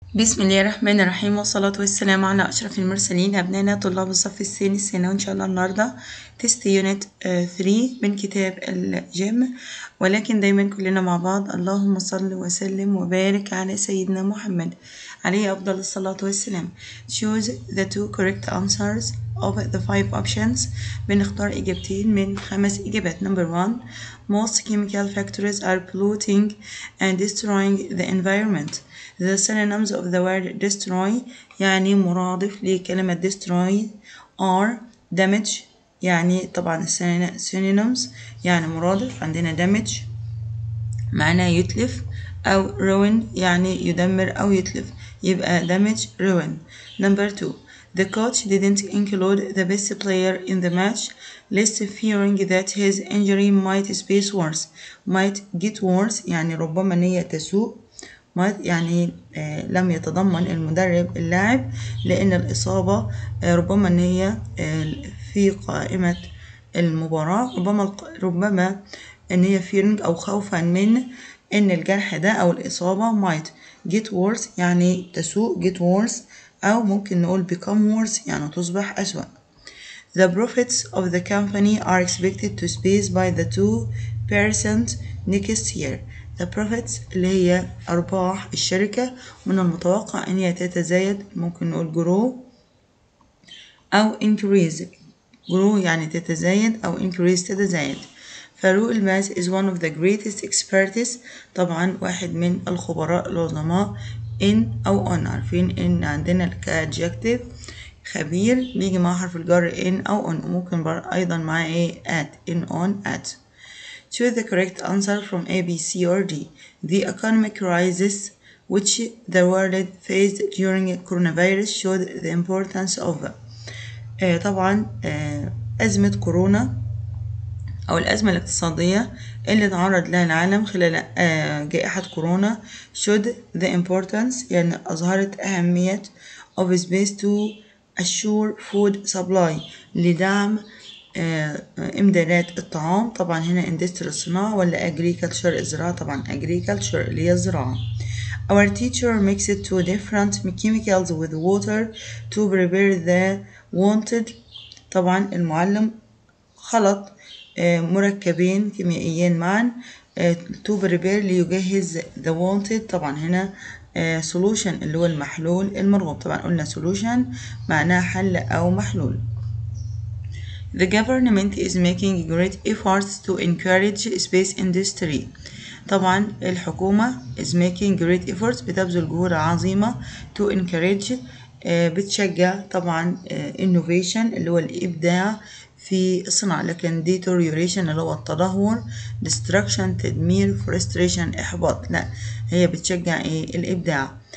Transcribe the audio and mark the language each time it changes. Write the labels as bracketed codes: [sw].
[ar] بسم الله الرحمن الرحيم، والصلاة والسلام على أشرف المرسلين. أبنائنا طلاب الصف الثاني الثانوي، إن شاء الله النهاردة تيست يونت 3 من كتاب الجيم، ولكن دايما كلنا مع بعض. اللهم صل وسلم وبارك على سيدنا محمد عليه أفضل الصلاة والسلام. [en] choose the two correct answers of the five options. [ar] بنختار إجابتين من خمس إجابات. [en] number one, most chemical factories are polluting and destroying the environment. [ar] The synonyms of the word destroy يعني مرادف لكلمة destroy are damage، يعني طبعا synonyms يعني مرادف، عندنا damage معناه يتلف، أو ruin يعني يدمر أو يتلف، يبقى damage ruin. [en] number two, the coach didn't include the best player in the match, lest fearing that his injury might space worse. [ar] might get worse يعني ربما نية تسوء، يعني لم يتضمن المدرب اللاعب لأن الإصابة ربما هي في قائمة المباراة، ربما أن هي فيرنج أو خوفا من أن الجرح ده أو الإصابة might get worse يعني تسوء، get worse أو ممكن نقول become worse يعني تصبح أسوأ. [en] The profits of the company are expected to increase by the 2% next year. [ar] The profits اللي هي أرباح الشركة من المتوقع أن هي تتزايد، ممكن نقول grow أو increase، grow يعني تتزايد أو increase تتزايد. فاروق الماس is one of the greatest expertise، طبعا واحد من الخبراء العظماء in أو on، عارفين إن عندنا الـ adjective خبير بيجي مع حرف الجر in أو on، ممكن أيضا مع إيه at، in on at. [en] Choose the correct answer from A, B, C, or D. The economic crisis which the world faced during coronavirus showed the importance of. [ar] طبعا أزمة كورونا أو الأزمة الاقتصادية اللي تعرض لها العالم خلال جائحة كورونا showed the importance يعني أظهرت أهمية of space to assure food supply لدعم إمدادات الطعام، طبعا هنا إندستري الصناعة ولا أجريكالتشر الزراعة، طبعا أجريكالتشر اللي هي الزراعة. Our teacher mixed two different chemicals with water to prepare the wanted، طبعا المعلم خلط مركبين كيميائيين معا to prepare ليجهز the wanted، طبعا هنا solution اللي هو المحلول المرغوب، طبعا قلنا solution معناه حل أو محلول. [en] The government is making great efforts to encourage space industry. [ar] طبعا الحكومة is making great efforts بتبذل جهود عظيمة to encourage بتشجع طبعا innovation اللي هو الإبداع في الصناعة، لكن deterioration اللي هو التدهور، destruction تدمير، frustration إحباط، لا هي بتشجع إيه الإبداع.